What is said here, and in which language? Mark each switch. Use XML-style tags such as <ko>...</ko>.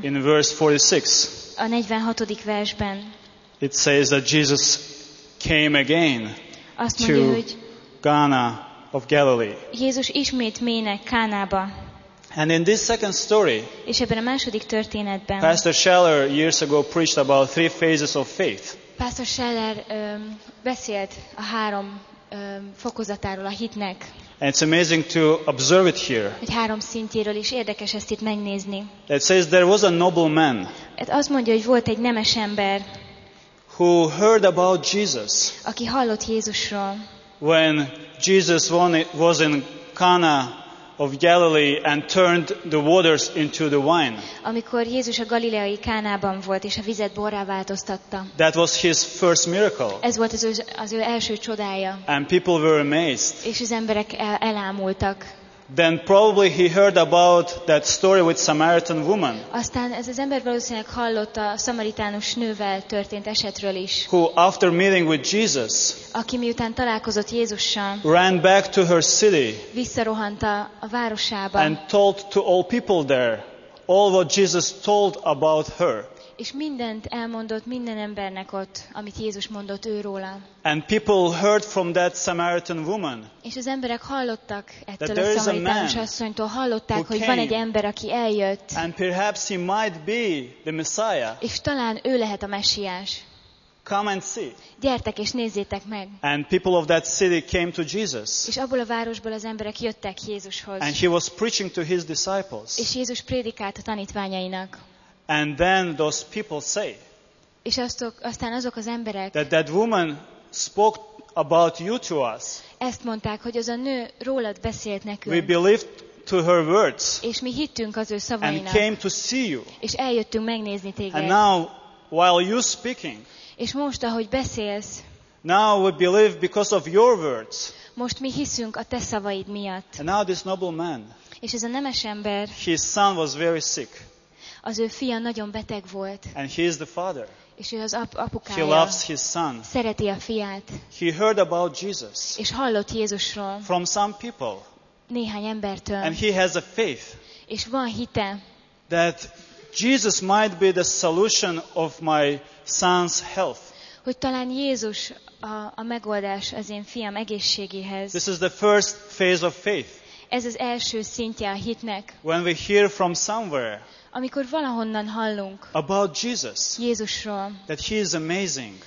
<en>In verse 46.</en> <hu>A 46. versben.</hu> <en>It says that Jesus came again.</en> <hu>Azt mondja,</hu> <en>to</en> <hu>hogy</hu> <en>Cana of Galilee.</en> <hu>Jézus ismét mének Kánába.</hu> <en>And in this second story,</en> <hu>és ebben a második történetben,</hu> <en>Pastor Scheller years ago preached about three phases of faith.</en> <hu>Pastor Scheller beszélt a három fokozatáról a hitnek.</hu> <en>And it's amazing to observe it here.</en> <hu>Hogy három szintjéről is érdekes ezt itt megnézni.</hu> <en>It says there was a noble man.</en> <hu>Ez azt mondja, hogy volt egy nemes ember.</hu> <en>Who heard about Jesus?</en> <hu>Aki hallott Jézusról.</hu> <en>When Jesus was in Cana of Galilee and turned the waters into the wine.</en> <hu>Amikor Jézus a galileai Kánában volt és a vizet borrá változtatta.</hu> <en>That was his first miracle.</en> <hu>Ez volt az ő első csodája.</hu> <en>And people were amazed.</en> <hu>És az emberek elámultak.</hu> <en>Then probably he heard about that story with Samaritan woman.</en> <hu>Aztán ez az ember valószínűleg hallott a szamaritánus nővel történt esetről is.</hu> <en>Who after meeting with Jesus?</en> <hu>Aki miután találkozott Jézussal.</hu> <en>Ran back to her city.</en> <hu>Visszarohant a városába.</hu> <en>And told to all people there all what Jesus told about her.</en> <hu>És mindent elmondott minden embernek ott, amit Jézus mondott ő róla.</hu> <en>And people heard from that Samaritan woman.</en> <hu>És az emberek hallottak ettől a szamaritánus asszonytól, hallották, hogy van egy ember, aki eljött.</hu> <en>And perhaps he might be the Messiah.</en> <hu>És talán ő lehet a Messiás.</hu> <en>Come and see.</en> <hu>Gyertek és nézzétek meg.</hu> <en>And people of that city came to Jesus.</en> <hu>És abból a városból az emberek jöttek Jézushoz.</hu> <en>And he was preaching to his disciples.</en> <hu>És Jézus prédikált a tanítványainak.</hu> <en>And then those people say.</en> <hu>És aztán azok az emberek.</hu> <en>That woman spoke about you to us.</en> <hu>Ezt mondták, hogy az a nő rólad beszélt nekünk.</hu> <en>We believed to her words.</en> <hu>És mi hittünk az ő</hu> <en>szavainak. And came to see you.</en> <hu>És eljöttünk megnézni téged.</hu> <en>And now while you speaking.</en> <hu>És most ahogy beszélsz.</hu> <en>Now we believe because of your words.</en> <hu>Most mi hiszünk a te szavaid miatt.</hu> <en>And now this noble man.</en> <hu>És ez a nemes ember.</hu> <en>His son was very sick.</en> <hu>Az ő fia nagyon beteg volt.</hu> <en>And he is the father.</en> <hu>És ő az apukája.</hu> <en>He loves his son.</en> <hu>Szereti a fiát.</hu> <en>He heard about Jesus.</en> <hu>És hallott Jézusról.</hu> <en>From some people.</en> <hu>Néhány embertől.</hu> <en>And he has a faith.</en> <hu>És van hite.</hu> <en>That Jesus might be the solution of my son's health.</en> <hu>Hogy talán Jézus a megoldás az én fiam egészségéhez.</hu> <en>This is the first phase of faith.</en> <hu>Ez az első szintje a hitnek.</hu> <en>When we hear from somewhere.</en> <hu>Amikor valahonnan hallunk</hu> <en>about Jesus,</en> <hu>Jézusról,</hu> <en>that he is amazing,</en>